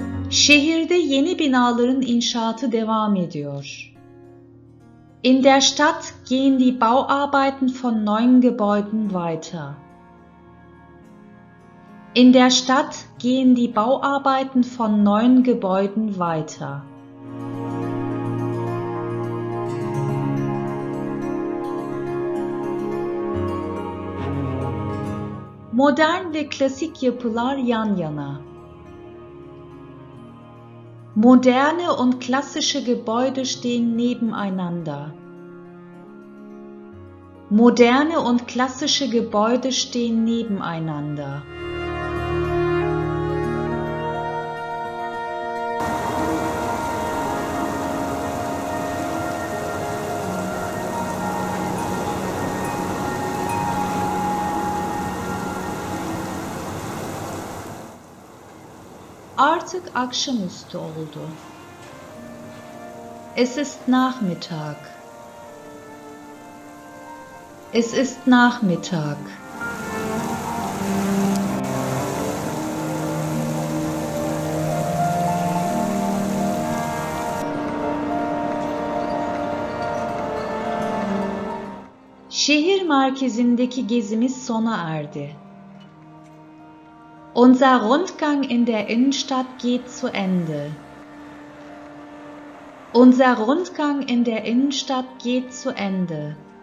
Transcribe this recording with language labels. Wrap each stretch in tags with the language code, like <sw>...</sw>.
<tr>Şehirde yeni binaların inşaatı devam ediyor.</tr> <de>In der Stadt gehen die Bauarbeiten von neuen Gebäuden weiter. In der Stadt gehen die Bauarbeiten von neuen Gebäuden weiter.</de> <tr>Modern ve klasik yapılar yan yana.</tr> <de>Moderne und klassische Gebäude stehen nebeneinander. Moderne und klassische Gebäude stehen nebeneinander.</de> <tr>Artık akşamüstü oldu.</tr> <de>Es ist Nachmittag. Es ist Nachmittag.</de> <tr>Şehir merkezindeki gezimiz sona erdi.</tr> <de>Unser Rundgang in der Innenstadt geht zu Ende. Unser Rundgang in der Innenstadt geht zu Ende.</de>